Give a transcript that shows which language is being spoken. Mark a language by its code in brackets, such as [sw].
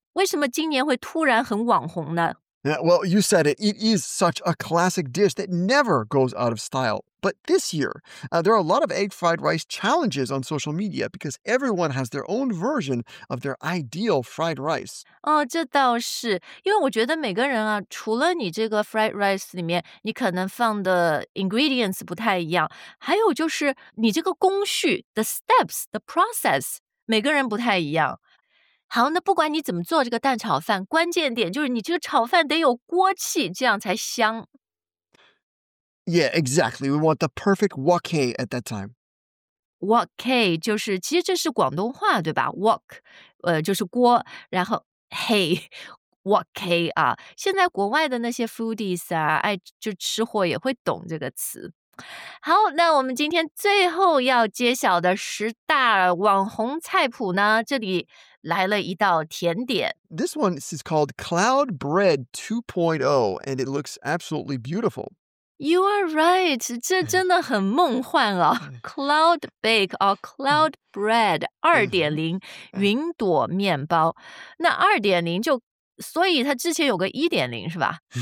[zh] 为什么今年会突然很网红呢 [en] ？Yeah, well, you said it. It is such a classic dish that never goes out of style. But this year, there are a lot of egg fried rice challenges on social media because everyone has their own version of their ideal fried rice. [zh] 哦，这倒是，因为我觉得每个人啊，除了你这个 fried rice 里面，你可能放的 ingredients 不太一样，还有就是你这个工序 [en] the steps, the process, [zh] 每个人不太一样。好，那不管你怎么做这个蛋炒饭，关键点就是你这个炒饭得有锅气，这样才香。 [en] Yeah, exactly. We want the perfect wok hei at that time. [zh] Wok hei 就是其实这是广东话对吧 ？Wok， 就是锅，然后 hei wok hei 啊。现在国外的那些 foodies 啊，爱就吃货也会懂这个词。好，那我们今天最后要揭晓的十大网红菜谱呢，这里来了一道甜点。 [en] This one is called Cloud Bread 2.0, and it looks absolutely beautiful. You are right. [zh] 这真的很梦幻啊 [en] Cloud bake or cloud bread 2.0 [zh] 云朵面包。那2.0就所以它之前有个1.0是吧？